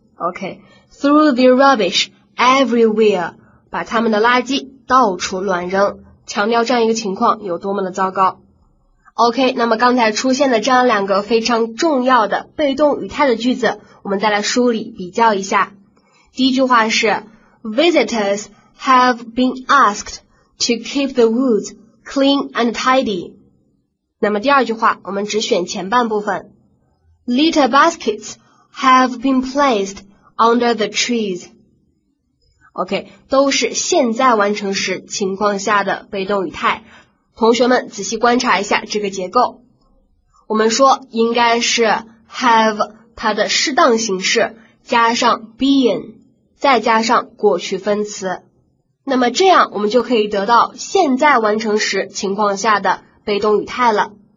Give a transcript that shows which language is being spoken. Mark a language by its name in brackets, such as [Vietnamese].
[Chinese] OK, [English] throw their rubbish everywhere, [Chinese] 把他们的垃圾到处乱扔，强调这样一个情况有多么的糟糕。 OK, 那么刚才出现的这样两个非常重要的被动语态的句子，我们再来梳理比较一下。第一句话是 [English] Visitors have been asked to keep the woods clean and tidy. [Chinese] 那么第二句话我们只选前半部分。 [English] Litter baskets have been placed under the trees. [Chinese] OK, 都是现在完成时情况下的被动语态。同学们仔细观察一下这个结构。我们说应该是 have 它的适当形式加上 being,再加上过去分词，那么这样我们就可以得到现在完成时情况下的被动语态了。